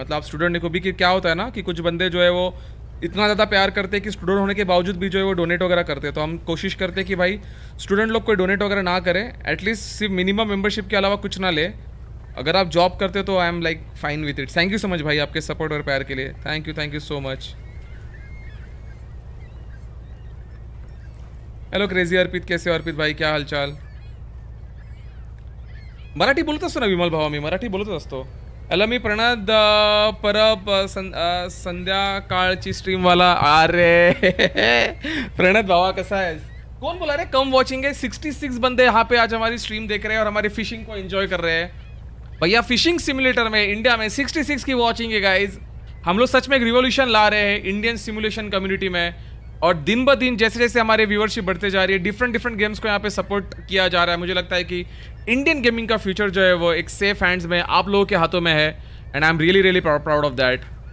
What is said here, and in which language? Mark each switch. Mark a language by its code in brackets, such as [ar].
[hi] मतलब स्टूडेंट को भी क्या होता है ना कि कुछ बंदे जो है वो इतना ज़्यादा प्यार करते हैं कि स्टूडेंट होने के बावजूद भी जो है वो डोनेट वगैरह करते हैं। तो हम कोशिश करते हैं कि भाई स्टूडेंट लोग कोई डोनेट वगैरह ना करें, एटलीस्ट सिर्फ मिनिमम मेंबरशिप के अलावा कुछ ना ले। अगर आप जॉब करते हो तो [en] I am like fine with it. Thank you so much [hi] भाई आपके सपोर्ट और प्यार के लिए, thank you, thank you so much. Hello crazy अर्पित, कैसे हो अर्पित भाई, क्या हाल चाल। [mr] मराठी बोलत असतो ना विमल भाव, मी मराठी बोलत असतो। हॅलो मी प्रणद परब, संध्याकाळची स्ट्रीम वाला। अरे प्रणद भावा कसा आहेस, कोण बोला रे, कम वॉचिंग आहे। [hi] 66 बंदे यहाँ पे आज हमारी स्ट्रीम देख रहे हैं और हमारी फिशिंग को एन्जॉय कर रहे हैं। भैया फिशिंग सिम्युलेटर में इंडिया में 66 की वॉचिंग है गाइज। हम लोग सच में एक रिवोल्यूशन ला रहे हैं इंडियन सिम्युलेशन कम्युनिटी में। और दिन ब दिन जैसे जैसे हमारे व्यूअरशिप बढ़ते जा रही है, डिफरेंट डिफरेंट गेम्स को यहाँ पे सपोर्ट किया जा रहा है। मुझे लगता है कि इंडियन गेमिंग का फ्यूचर जो है वो एक सेफ हैंड्स में आप लोगों के हाथों में है, [en] And I am really really proud of that.